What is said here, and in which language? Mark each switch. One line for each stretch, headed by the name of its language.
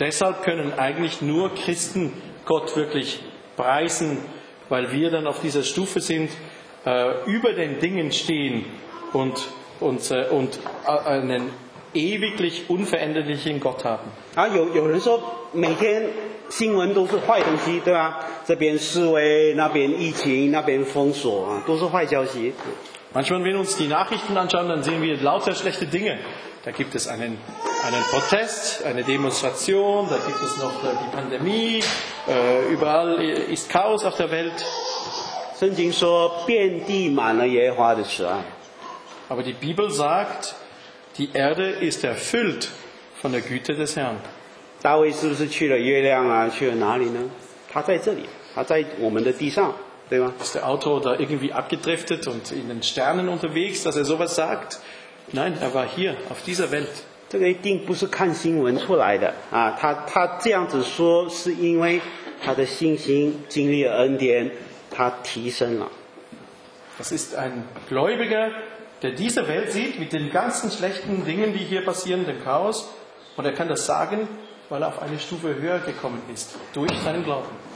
German: deshalb können eigentlich nur Christen Gott wirklich preisen, weil wir dann auf dieser Stufe sind, über den Dingen stehen und einen ewiglich unveränderlichen Gott haben.
Chinese: 有人说每天新闻都是坏东西，对吧？这边示威，那边疫情，那边封锁，都是坏消息。
German: Manchmal, wenn wir uns die Nachrichten anschauen, dann sehen wir lauter schlechte Dinge. Da gibt es einen Protest, eine Demonstration, da gibt es noch die Pandemie, überall ist Chaos auf der Welt.
Chinese: 圣经说遍地满了耶和华的慈爱。
German: Aber die Bibel sagt, die Erde ist erfüllt von der Güte des Herrn.
Chinese: 大卫是不是去了月亮啊？去了哪里呢？他在这里，他在我们的地上。
German: Ist der Autor da irgendwie abgedriftet und in den Sternen unterwegs, dass er sowas sagt? Nein, er war hier, auf dieser Welt. Das ist ein Gläubiger, der diese Welt sieht, mit den ganzen schlechten Dingen, die hier passieren, dem Chaos, und er kann das sagen, weil er auf eine Stufe höher gekommen ist, durch seinen Glauben.